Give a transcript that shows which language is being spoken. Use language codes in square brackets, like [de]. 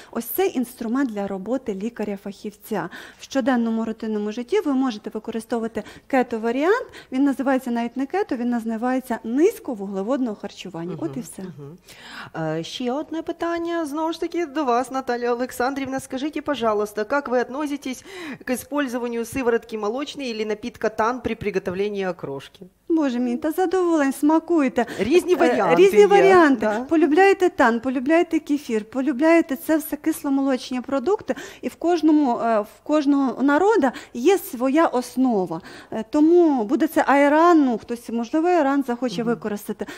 [uk] Ось цей інструмент для роботи лікаря-фахівця. В щоденному рутинному житті ви можете використовувати кето-варіант. Він називається навіть не кето, він називається низьковуглеводного харчування. От і все. Ще одне питання, знову ж таки, до вас, Наталія Олександрівна. Скажіть, [ru] пожалуйста, [uk] як ви відноситесь [ru] к использованию сиворотки молочной или напитка тан при приготовлении окрошки? [uk] Боже мій, та задоволень, смакуйте. Різні варіанти. Різні варіанти. Да? Полюбляєте тан, полюбляєте кефір, полюбляєте це все кисломолочні продукти, і в кожного народу є своя основа. Тому буде це айран, ну, хтось, можливо, айран захоче використати.